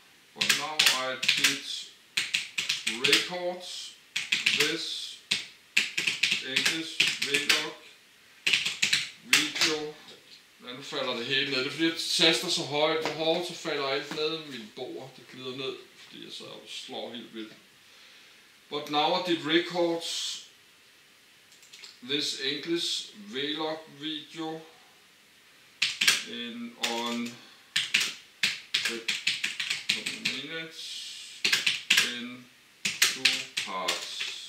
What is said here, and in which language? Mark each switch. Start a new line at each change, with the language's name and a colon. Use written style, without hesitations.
English: But now I did record this English vlog video.
Danish: Ja, nu falder det hele ned. Det er fordi, jeg taster så højt på hårdt, så falder alt ned med min bord. Det glider ned, fordi jeg så slår helt vildt.
English: But now I did record this English vlog video in on 2 minutes in 2 parts.